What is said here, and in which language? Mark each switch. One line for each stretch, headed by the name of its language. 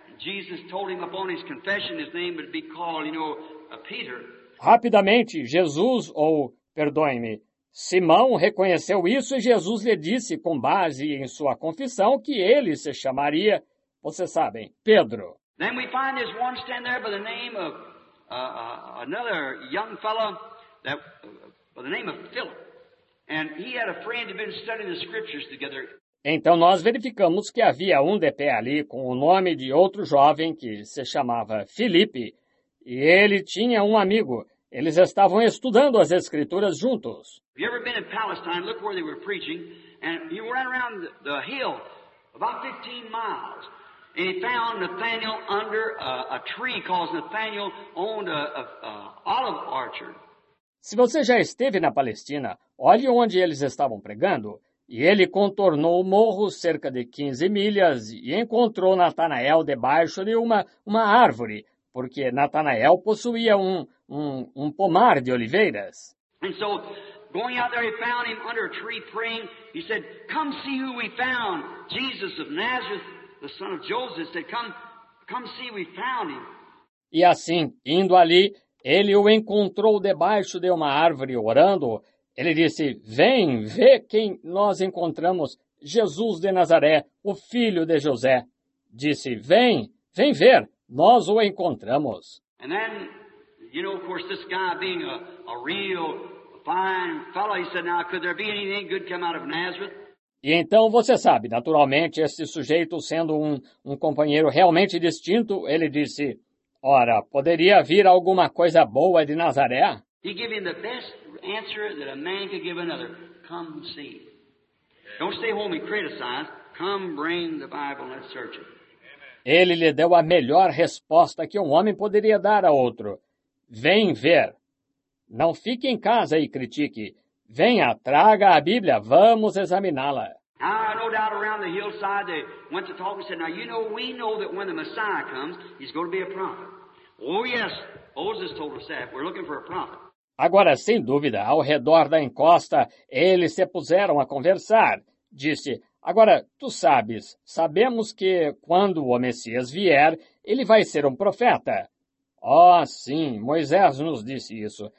English: Jesus told him upon his confession his name would be called, Peter.
Portuguese: Rapidamente, Jesus, ou, perdoe-me, Simão reconheceu isso e Jesus lhe disse, com base em sua confissão, que ele se chamaria, vocês sabem, Pedro.
English: Then we find this one stand there by the name of another young fellow that by the name of Philip. And he had a friend who had been studying the scriptures together.
Portuguese: Então nós verificamos que havia um de pé ali com o nome de outro jovem que se chamava Filipe, e ele tinha um amigo. Eles estavam estudando as escrituras juntos.
English: You ever been in Palestine? Look where they were preaching, and he ran around the hill about 15 miles, and he found Nathaniel under a tree, because Nathaniel owned a olive orchard.
Portuguese: Se você já esteve na Palestina, olhe onde eles estavam pregando. E ele contornou o morro cerca de 15 milhas e encontrou Natanael debaixo de uma árvore, porque Natanael possuía um pomar de oliveiras.
English: And so, going out there, he found him under a tree praying. He said, come see who we found. Jesus of Nazareth, the son of Joseph, said, come see who we found him.
Portuguese: E assim, indo ali, ele o encontrou debaixo de uma árvore orando. Ele disse, vem, vê quem nós encontramos, Jesus de Nazaré, o filho de José. Disse, vem ver, nós o encontramos.
English: And then, of course, this guy being a real fine fellow, he said, now, could there be anything good come out of Nazareth?
Portuguese: E então, você sabe, naturalmente, esse sujeito sendo um companheiro realmente distinto, ele disse, ora, poderia vir alguma coisa boa de Nazaré?
English: He gave him the best answer that a man could give another. Come see. Don't stay home and criticize. Come bring the Bible and let's search it.
Portuguese: Ele lhe deu a melhor resposta que um homem poderia dar a outro. Vem ver. Não fique em casa e critique. Venha, traga a Bíblia. Vamos examiná-la.
English: Ah, no doubt around the hillside they went to talk and said, now, we know that when the Messiah comes, he's going to be a prophet. Oh, yes. Moses told us that. We're looking for a prophet.
Portuguese: Agora, sem dúvida, ao redor da encosta, eles se puseram a conversar. Disse, agora, tu sabes, sabemos que quando o Messias vier, ele vai ser um profeta. Oh, sim, Moisés nos disse isso.